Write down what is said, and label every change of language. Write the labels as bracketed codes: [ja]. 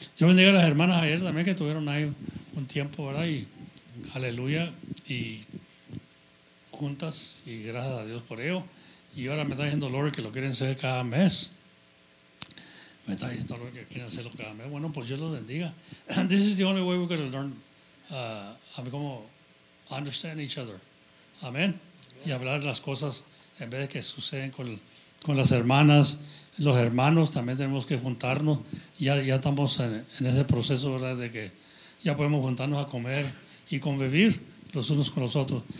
[es] Yo bendiga a las hermanas ayer también que tuvieron ahí un tiempo, ¿verdad? Y aleluya. Y juntas. Y gracias a Dios por ello. Y ahora me está diciendo Lord que lo quieren hacer cada mes. Me está diciendo Lord que quieren hacerlo cada mes. Bueno, pues yo los bendiga. [en] This is the only way we're going to learn. Como understand each other. Amén. [es] Y hablar las cosas en vez de que suceden con las hermanas, los hermanos, también tenemos que juntarnos. Ya estamos en ese proceso, ¿verdad? De que ya podemos juntarnos a comer y convivir los unos con los otros.